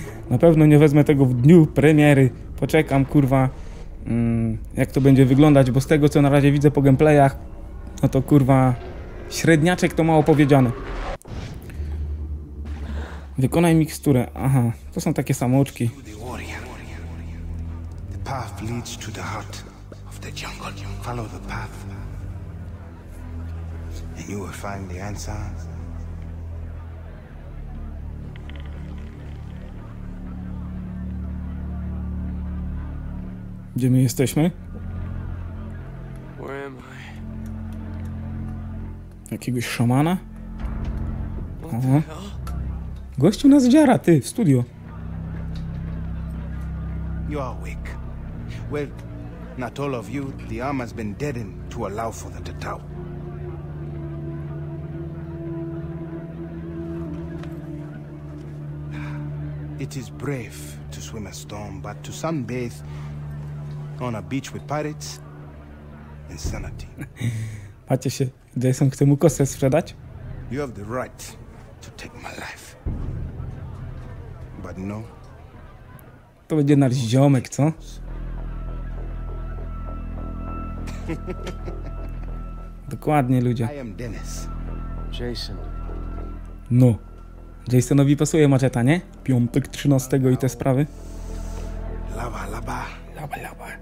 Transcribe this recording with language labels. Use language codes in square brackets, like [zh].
[pl] Na pewno nie wezmę tego w dniu premiery. Poczekam, kurwa, jak to będzie wyglądać, bo z tego, co na razie widzę po gameplayach, no to, kurwa, średniaczek to mało powiedziane. Wykonaj miksturę. Aha, to są takie samouczki. [en] Path leads to the heart of the jungle. Follow the path, and you will find the answer. [pl] Gdzie my jesteśmy? [en] Where am I? [pl] Jakiegoś szamana? Aha. Gościu nas dziara, ty, w studio. [en] You are weak. Well, not all of you. The armor's been deadened to allow for the tatao. It is brave to swim a storm, but to sunbathe on a beach with pirates, insanity. [pl] Patrzcie się, Jason chce mu kosę sprzedać. [en] You have the right to take my life. But no. [pl] To będzie nasz ziomek, co? Dokładnie, ludzie. [en] I am Dennis. [pl] Jason. No. Jasonowi pasuje maczeta, nie? Piątek 13 i te sprawy. Lava, laba. Laba, laba.